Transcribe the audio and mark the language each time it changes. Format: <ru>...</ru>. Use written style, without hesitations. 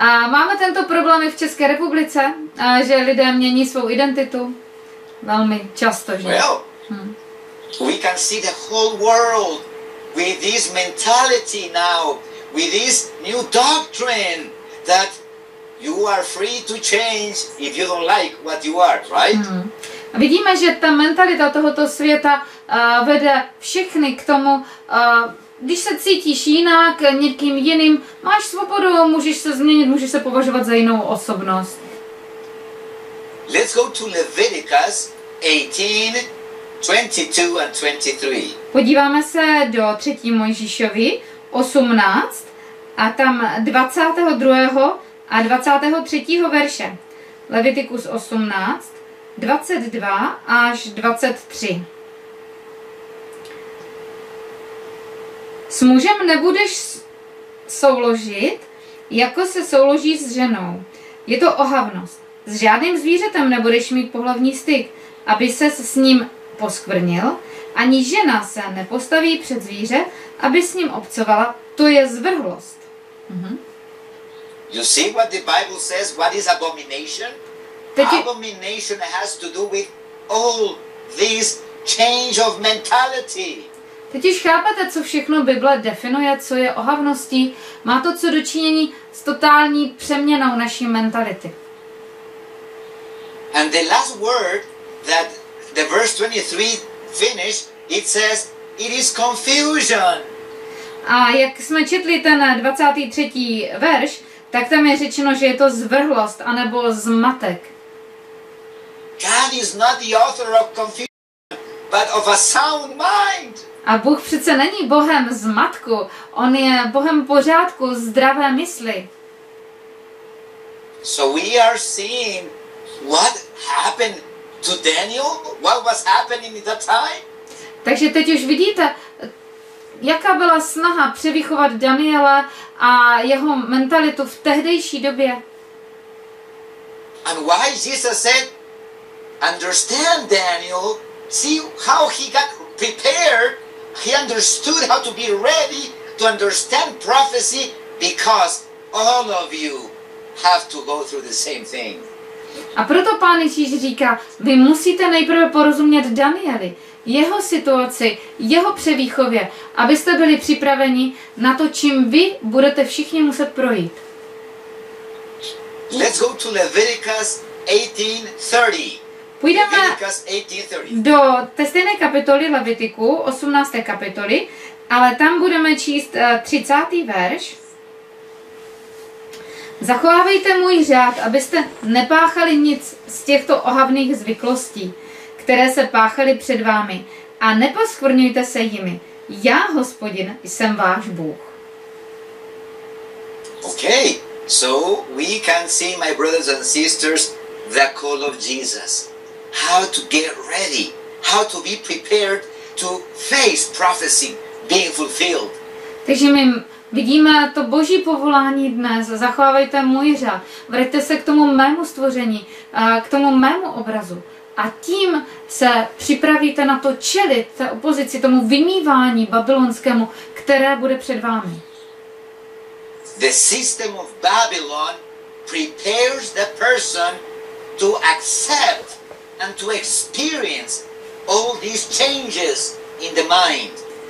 <cs>Máme tento problém i v České republice, že lidé mění svou identitu velmi často, že?</cs> <en>Well, we can see the whole world with this mentality now, with this new doctrine that you are free to change if you don't like what you are, right? Mm.</en> <cs>Vidíme, že ta mentalita tohoto světa vede všechny k tomu, když se cítíš jinak, někým jiným, máš svobodu, můžeš se změnit, můžeš se považovat za jinou osobnost.</cs> <en>Let's go to Leviticus 18, 22 and 23.</en> <cs>Podíváme se do 3. Mojžíšovi 18 a tam 22. a 23. verše. Leviticus 18. 22 až 23. S mužem nebudeš souložit, jako se souloží s ženou. Je to ohavnost. S žádným zvířetem nebudeš mít pohlavní styk, aby ses s ním poskvrnil. Ani žena se nepostaví před zvíře, aby s ním obcovala. To je zvrhlost.</cs> <en>You see what the Bible says, what is abomination? Abomination has to do with all this change of mentality.</en> <cs>Teď už chápete, co všechno Bible definuje, co je ohavností. Má to co dočinění s totální přeměnou naší mentality.</cs> <en>And the last word that the verse 23 finished, it says it is confusion.</en> <cs>A jak jsme četli ten 23. verš, tak tam je řečeno, že je to zvrhlost anebo zmatek.</cs> <en>God is not the author of confusion, but of a sound mind.</en> <cs>A Bůh přece není Bohem zmatku, on je Bohem pořádku, zdravé mysli.</cs> <en>So we are seeing what happened to Daniel, what was happening in that time?</en> <cs>Takže teď už vidíte, jaká byla snaha převychovat Daniela a jeho mentalitu v tehdejší době.</cs> <en>And why Jesus said, understand Daniel, see how he got prepared, he understood how to be ready to understand prophecy, because all of you have to go through the same thing.</en> <cs>A proto Pán Ježíš říká, vy musíte nejprve porozumět Danieli, jeho situaci, jeho převýchově, abyste byli připraveni na to, čím vy budete všichni muset projít.</cs> <en>Let's go to Leviticus 18:30.</en> <cs>Půjdeme do té stejné kapitoly Levitiku, 18. kapitoly, ale tam budeme číst 30. verš. Zachovávejte můj řád, abyste nepáchali nic z těchto ohavných zvyklostí, které se páchaly před vámi, a neposkvrňujte se jimi. Já, Hospodin, jsem váš Bůh.</cs> <en>Okay, so we can see, my brothers and sisters, the call of Jesus. How to get ready, how to be prepared to face prophecy being fulfilled.</en> <cs>Takže my vidíme to Boží povolání dnes, zachovávejte můj řád, vraťte se k tomu mému stvoření, k tomu mému obrazu, a tím se připravíte na to čelit té opozici, tomu vymývání babylonskému, které bude před vámi.</cs> <en>The system of Babylon prepares the person to accept and to experience all these changes in the mind.</en>